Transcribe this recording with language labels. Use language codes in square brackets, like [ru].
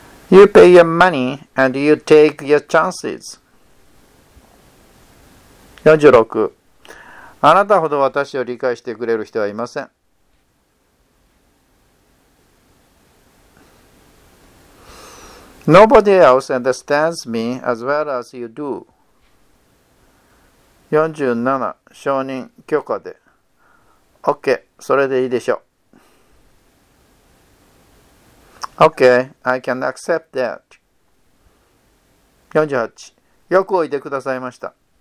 [en] You pay your money and you take your chances. 46. [ja] あなたほど私を理解してくれる人はいません。 [en] Nobody else understands me as well as you do. [ja] 47. 承認許可で。 OK、それでいいでしょう。 [en] OK, I can accept that. 48. [ja] よくおいでくださいました。